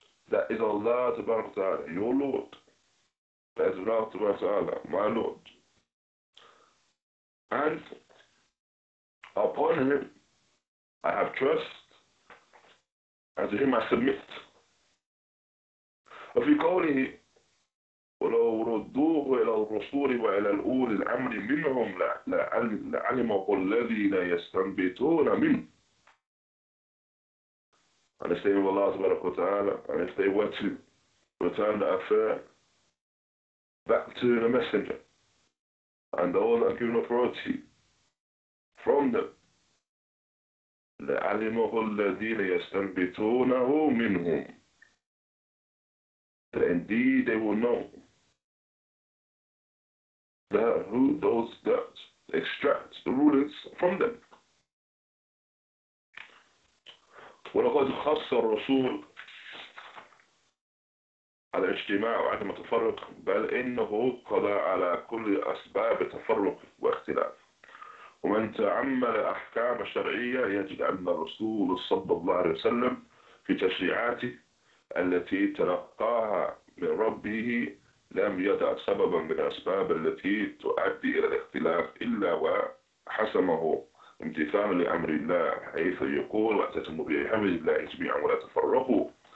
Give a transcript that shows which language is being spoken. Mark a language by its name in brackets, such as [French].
[English] That is Allah tabarak wa ta'ala, your Lord. That is Allah tabarak wa ta'ala, my Lord. And upon Him I have trust, and to Him I submit. [Arabic] وفي قوله ولو ردوه إلى الرسول وإلى الأولي الأمر منهم لعلمه الذين يستنبطون منه. [English] And if they were Allah subhanahu wa ta'ala, and if they were to return the affair back to the messenger, and the one that given authority from them, [Arabic] لَعَلِمُهُ الَّذِينَ يَسْتَنْبِتُونَهُ مِنْهُمْ, [English] then indeed they will know that who those that extract the rulings from them. [Arabic] ولقد خص الرسول على اجتماع وعدم التفرق بل إنه قضى على كل أسباب التفرق واختلاف ومن تعمل أحكام شرعية يجد أن الرسول صلى الله عليه وسلم في تشريعاته التي تلقاها من ربه لم يدع سببا من الأسباب التي تؤدي إلى الاختلاف إلا وحسمه امتثال لأمر الله حيث يقول وَأَتَتَمُوا بِحَمْدِ اللَّهِ جَمِيعًا وَلَا تَفَرَّقُوا